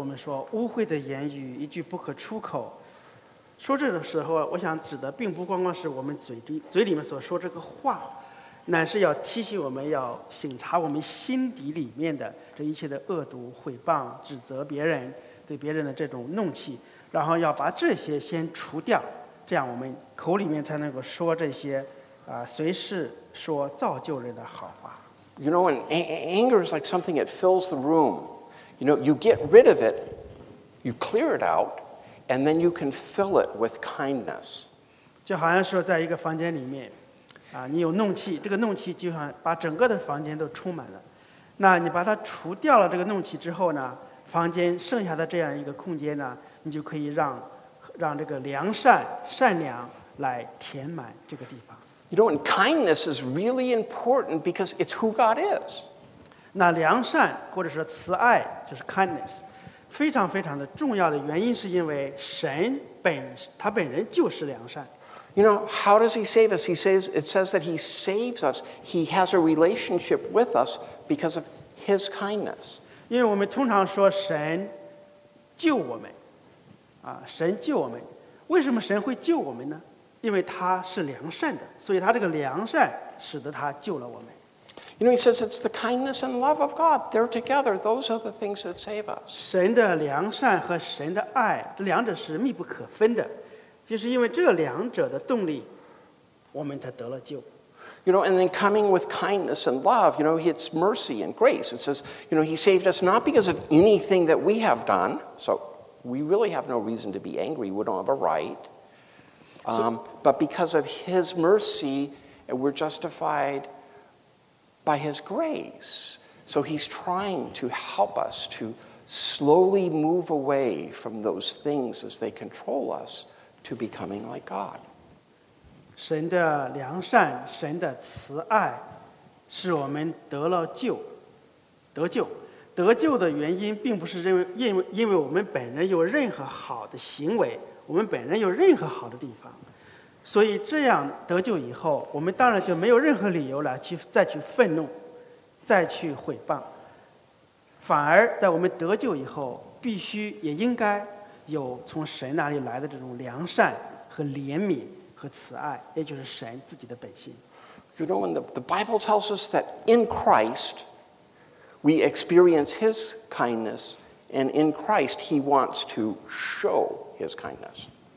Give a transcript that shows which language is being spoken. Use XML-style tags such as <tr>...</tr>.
<zh>所以我想当神在这里告诉我们说污秽的言语一句不可出口, 说这种时候, 我想指的并不光光是我们嘴里面所说这个话, 乃是要提醒我们要省察我们心底里面的这一切的恶毒、毁谤、指责别人、对别人的这种怒气，然后要把这些先除掉，这样我们口里面才能够说这些，随时说造就人的好话。</zh> <en>You know, when anger is like something that fills the room. You know, you get rid of it, you clear it out, and then you can fill it with kindness.</en> <zh>就好像说在一个房间里面, 你有怒气, 这个怒气就像把整个的房间都充满了。那你把它除掉了这个怒气之后呢, 房间剩下的这样一个空间呢, 你就可以让, 让这个良善, 善良来填满这个地方。</zh> <en>You know, and kindness is really important because it's who God is.</en> <zh>那良善, 或者说慈爱, 就是 kindness, 非常非常的重要的原因是因为神本, 他本人就是良善。</zh> <en>You know, how does he save us? It says that he saves us. He has a relationship with us because of his kindness.</en> <zh>因为我们通常说神救我们, 神救我们, 为什么神会救我们呢? 因为他是良善的, 所以他这个良善使得他救了我们。</zh> <en>You know, he says it's the kindness and love of God. They're together. Those are the things that save us.</en> <zh>神的良善和神的爱, 两者是密不可分的。就是因为这两者的动力, 我们才得了救。</zh> <en>You know, and then coming with kindness and love, you know, it's mercy and grace. It says, you know, he saved us not because of anything that we have done, so we really have no reason to be angry, we don't have a right, but because of his mercy, and we're justified by his grace. So he's trying to help us to slowly move away from those things as they control us, to becoming like God.</en> <zh>神的良善, 神的慈爱, 使我们得了救, 得救, 得救的原因并不是因为我们本人有任何好的行为, 我们本人有任何好的地方, 所以这样得救以后, 我们当然就没有任何理由来去再去愤怒, 再去毁谤, 反而在我们得救以后, 必须也应该, 有从神那里来的这种良善和怜悯和慈爱，也就是神自己的本性。</zh> <en>You know, when the Bible tells us that in Christ, we experience his kindness, and in Christ, he wants to show his kindness.</en>